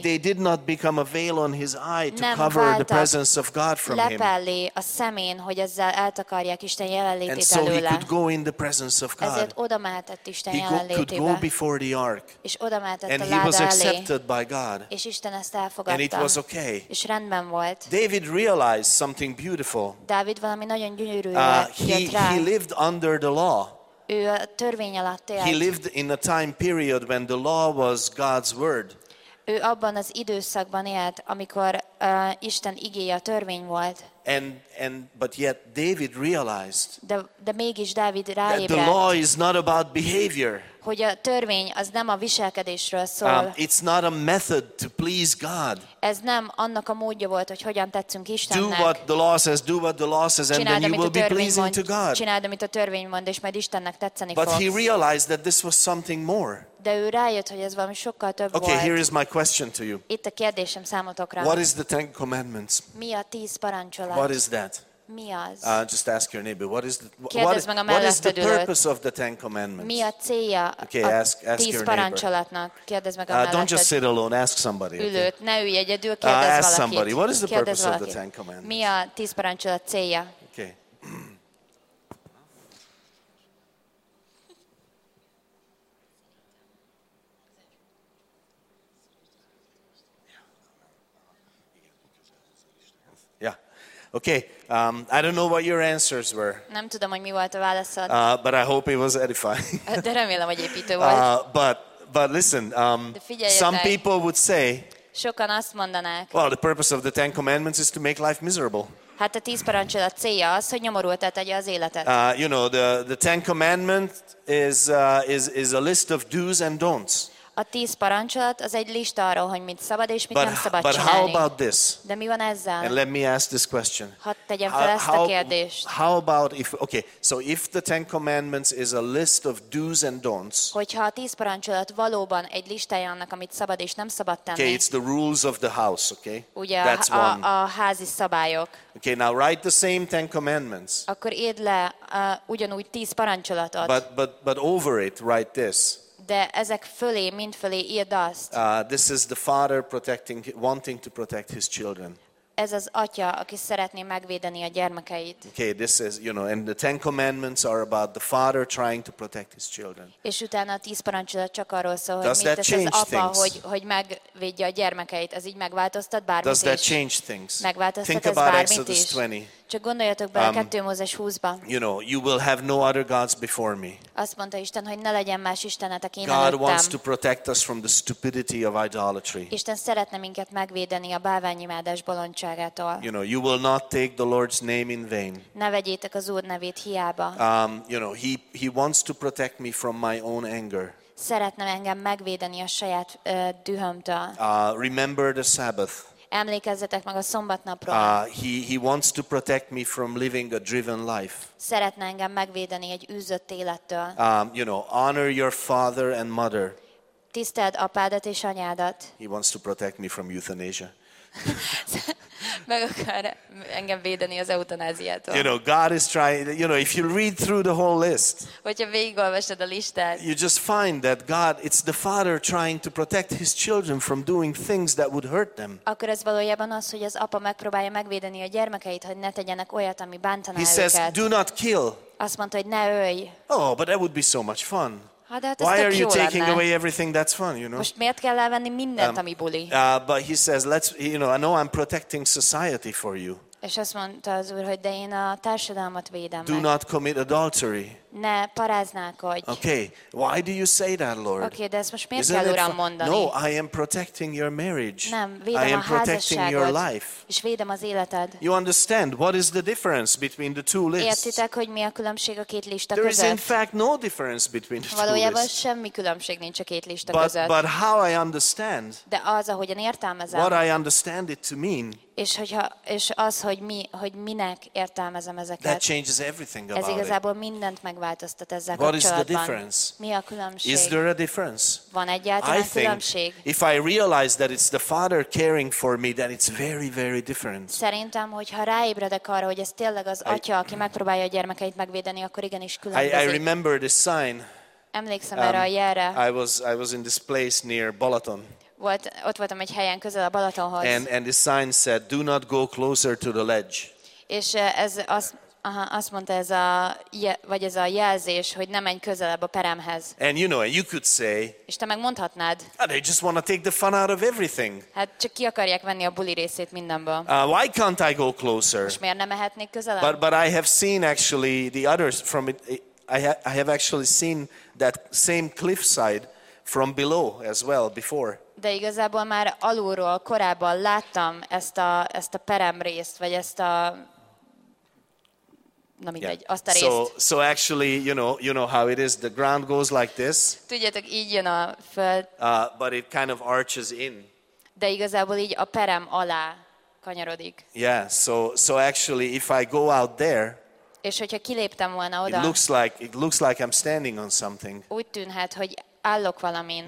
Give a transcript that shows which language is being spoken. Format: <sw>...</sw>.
<en>They did not become a veil on his eye to cover the presence of God from him.</en> <hu>Nem váltak lepellé a szemén, hogy ezzel eltakarják Isten jelenlétét</hu> <en>and</en> <hu>előle.</hu> <en>So he could go in the presence of God.</en> <hu>Ezért oda mehetett Isten</hu> <en>he</en> <hu>jelenlétébe.</hu> <en>He could go before the ark.</en> <hu>És oda mehetett a láda elé.</hu> <en>And he was accepted by God.</en> <hu>És Isten ezt elfogadta.</hu> <en>And it was okay.</en> <hu>És rendben volt.</hu> <en>David realized something beautiful.</en> <hu>Dávid valami nagyon gyönyörű</hu> <en>he lived under the law.</en> <hu>Ő a törvény alatt élt.</hu> <en>He lived in a time period when the law was God's word.</en> <hu>Ő abban az időszakban élt, amikor Isten igéje a törvény volt.</hu> <en>And but yet David realized.</en> <hu>De mégis Dávid ráébredt.</hu> <en>The law is not about behavior.</en> <hu>Hogy a törvény az nem a viselkedésről szól.</hu> <en>It's not a method to please God.</en> <hu>Ez nem annak a módja volt, hogy hogyan tetszünk Istennek.</hu> <en>Do what the law says, do what the law says, and then you will be pleasing to God.</en> <hu>Csináld, amit a törvény mond, és majd Istennek tetszeni fog.</hu> <en>But he realized that this was something more.</en> <hu>De ő rájött, hogy ez valami sokkal több</hu> <en>okay,</en> <hu>volt.</hu> <en>Here is my question to you.</en> <hu>Itt a kérdésem számotokra.</hu> <en>What is the Ten Commandments?</en> <hu>Mi a tíz parancsolat?</hu> <en>What is that?</en> <hu>Mi az?</hu> <en>Just ask your neighbor. What is the purpose of the Ten Commandments?</en> <hu>Mi a célja</hu> <en>okay,</en> <hu>a tíz parancsolatnak? Kérdezd meg a melletted.</hu> <en>Don't just sit alone. Ask somebody.</en> <hu>Ülőt. Ne ülj egyedül. Kérdezz valakit.</hu> <en>Ask somebody. What is the purpose of the Ten Commandments?</en> <hu>Mi a tíz parancsolat célja?</hu> <en>Okay. Okay, I don't know what your answers were.</en> <hu>Nem tudom, hogy mi volt a válaszod.</hu> <en>But I hope it was edifying.</en> <hu>De remélem, hogy építő volt.</hu> <en>But listen, some people would say,</en> <hu>sokan azt mondanák,</hu> <en>well, the purpose of the Ten Commandments is to make life miserable.</en> <hu>Hát a tíz parancsolat célja az, hogy nyomorultá tegye az életet.</hu> <en>You know, the Ten Commandments is a list of do's and don'ts.</en> <hu>A 10 parancsolat az egy lista arról, hogy mit szabad és mit</hu> <en>but,</en> <hu>nem szabad csinálni.</hu> <en>But how about this?</en> <hu>De mi van ezzel?</hu> <en>And let me ask this question.</en> <hu>Hadd tegyem fel ezt a kérdést.</hu> <en>How about if, okay, so if the Ten Commandments is a list of do's and don'ts.</en> <hu>Hogyha a 10 parancsolat valóban egy listája annak, amit szabad és nem szabad tenni.</hu> <en>Okay, it's the rules of the house, okay?</en> <hu>Ugye</hu> <en>that's</en> <hu>a házi szabályok.</hu> <en>Okay, now write the same Ten Commandments.</en> <hu>Akkor írd le ugyanúgy 10 parancsolatot.</hu> <en>But over it, write this.</en> <hu>De ezek fölé, mind fölé írd azt.</hu> <en>This is the father protecting, wanting to protect his children.</en> <hu>Ez az atya, aki szeretné megvédeni a gyermekeit.</hu> <en>Okay, this is, you know, and the Ten Commandments are about the father trying to protect his children.</en> <hu>És utána a 10 parancsolat csak arról szól, hogy mit tesz az apa, hogy megvédje a gyermekeit. Ez így megváltoztat bármit is.</hu> <en>Does that change things? Think about Exodus 20.</en> <hu>Csak gondoljatok bele 2 Mózes 20-ba.</hu> <en>You know, you will have no other gods before me.</en> <hu>Azt mondta Isten, hogy ne legyen más istenetek én előttem.</hu> <en>God wants to protect us from the stupidity of idolatry.</en> <hu>Isten szeretne minket megvédeni a bálványimádás bolondságától.</hu> <en>You know, you will not take the Lord's name in vain.</en> <hu>Ne vegyétek az Úr nevét hiába.</hu> <en>You know, he wants to protect me from my own anger.</en> <hu>Szeretne engem megvédeni a saját dühömtől.</hu> <en>Remember the Sabbath.</en> <hu>Emlékezzetek meg a szombatnapról.</hu> <en>He wants to protect me from living a driven life.</en> <hu>Szeretne engem megvédeni egy űzött élettől.</hu> <en>You know, honor your father and mother.</en> <hu>Tiszteld apádat és anyádat.</hu> <en>He wants to protect me from euthanasia.</en> <hu>Meg akar engem védeni az eutanáziától.</hu> <en>You know, God is trying, you know, if you read through the whole list.</en> <hu>Hogyha végigolvasod a listát.</hu> <en>You just find that God, it's the father trying to protect his children from doing things that would hurt them.</en> <hu>Akkor ez valójában az, hogy az apa megpróbálja megvédeni a gyermekeit, hogy ne tegyenek olyat, ami bántaná őket.</hu> <en>He says, do not kill.</en> <hu>Azt mondta, hogy ne ölj.</hu> <en>Oh, but that would be so much fun.</en> <hu>Hát</hu> <en>why are you taking</en> <hu>lenne?</hu> <en>Away everything that's fun, you know?</en> <hu>Most miért kell elvenni mindent, ami buli?</hu> <en>But he says, let's, you know, I know I'm protecting society for you.</en> <hu>És azt mondta az Úr, hogy de én a társadalmat védem.</hu> <en>Do</en> <hu>meg.</hu> <en>Not commit adultery.</en> <hu>Ne paráználkodj.</hu> <en>Okay, why do you say that, Lord?</en> <hu>Okay, de ezt most miért kell Uram mondani?</hu> <en>No, I am protecting your marriage.</en> <hu>Nem, védem</hu> <en>I am</en> <hu>a</hu> <en>protecting your life.</en> <hu>És védem az életed.</hu> <en>You understand what is the difference between the two lists?</en> <hu>Értitek, hogy mi a különbség a két lista</hu> <en>there</en> <hu>között?</hu> <en>There is in fact no difference between the</en> <hu>valójában</hu> <en>two lists.</en> <hu>Valójában semmi különbség nincs a két lista</hu> <en>but,</en> <hu>között.</hu> <en>But how I understand.</en> <hu>De az, ahogyan értelmezem.</hu> <en>What I understand it to mean.</en> <hu>És hogyha és az, hogy minek értelmezem ezeket.</hu> <en>That changes everything about</en> <hu>ez igazából mindent</hu> <en>it.</en> <hu>Megváltoztat ezzel</hu> <en>what</en> <hu>kapcsolatban. Mi a különbség?</hu> <en>Is there a difference?</en> <hu>Van egyáltalán különbség?</hu> <en>If I realize that it's the father caring for me, then it's very, very different.</en> <hu>Szerintem, hogyha ráébredek arra, hogy ez tényleg az atya, aki megpróbálja a gyermekeit megvédeni, akkor igenis különbözik.</hu> <en>I remember this sign.</en> <hu>Emlékszem erre a jelre.</hu> <en>I was in this place near Balaton.</en> <hu>Ott voltam egy helyen közel a Balatonhoz.</hu> <en>And the sign said, do not go closer to the ledge.</en> <hu>És ez azt mondta ez a vagy ez a jelzés, hogy ne menj közelebb a peremhez.</hu> <en>And you know, you could say.</en> <hu>És te megmondhatnád.</hu> <en>They just want to take the fun out of everything.</en> <hu>Hát csak ki akarják venni a buli részét mindenből.</hu> <en>Why can't I go closer?</en> <hu>És miért nem mehetnék közelebb?</hu> <en>But I have seen actually the others from it. I have actually seen that same cliffside from below as well before.</en> <hu>De igazából már alulról korábban láttam ezt a perem részt, vagy ezt a na mindegy, yeah. Azt a részt.</hu> <en>So actually, you know how it is, the ground goes like this.</en> <hu>Tudjátok, így jön a föld.</hu> <en>But it kind of arches in.</en> <hu>De igazából így a perem alá kanyarodik.</hu> <en>Yeah, so actually if I go out there.</en> <hu>És hogyha kiléptem volna oda.</hu> <en>It looks like I'm standing on something.</en> <hu>Úgy tűnhet, hogy állok valamin.</hu>